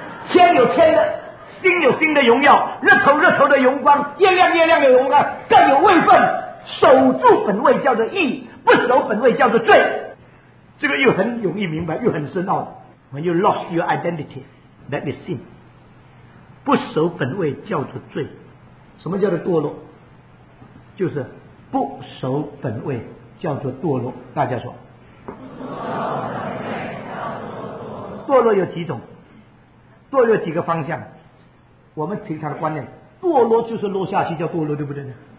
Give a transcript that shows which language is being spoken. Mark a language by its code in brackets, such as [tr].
[zh] 天有天的，心有心的荣耀，日头日头的荣光，月亮月亮的荣光，更有位分。守住本位叫做义，不守本位叫做罪。这个又很容易明白，又很深奥。 [en] When you lost your identity, that is sin. [zh] 不守本位叫做罪。什么叫做堕落？就是不守本位叫做堕落。大家说，堕落有几种？堕落有几个方向？我们平常的观念，堕落就是落下去叫堕落，对不对呢？